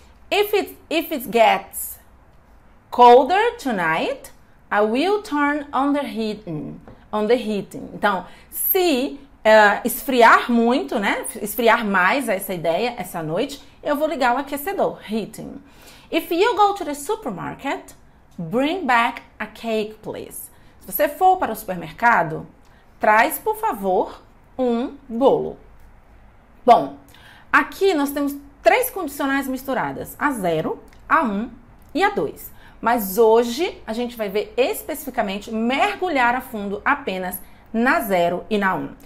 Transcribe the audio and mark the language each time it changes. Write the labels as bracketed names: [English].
[English] If it gets colder tonight, I will turn on the heating. [Portuguese] Então, se esfriar muito, né? Esfriar mais essa ideia, essa noite, eu vou ligar o aquecedor, heating. [English] If you go to the supermarket, bring back a cake, please. [Portuguese] Se você for para o supermercado, traz, por favor, um bolo. Bom, aqui nós temos três condicionais misturadas: a 0, a 1 e a 2. Mas hoje a gente vai ver especificamente mergulhar a fundo apenas na 0 e na 1.